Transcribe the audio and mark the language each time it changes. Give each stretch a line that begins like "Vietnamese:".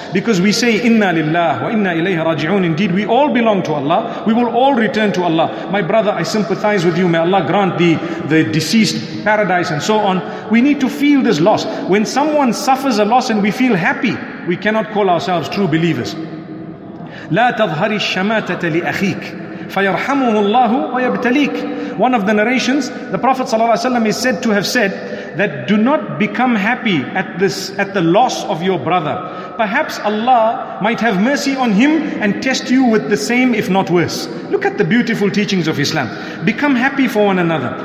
English: Because we say, Inna lillah wa inna ilayhi raji'un. Indeed, we all belong to Allah. We will all return to Allah. My brother, I sympathize with you. May Allah grant the deceased paradise and so on. We need to feel this loss. When someone suffers a loss and we feel happy, we cannot call ourselves true believers.
Arabic: لا تظهر الشماتة لأخيك فيرحمه الله ويبتليك.
English: One of the narrations, the Prophet
Arabic: صلى الله عليه وسلم
English: is said to have said that do not become happy at this, at the loss of your brother. Perhaps Allah might have mercy on him and test you with the same, if not worse. Look at the beautiful teachings of Islam. Become happy for one another.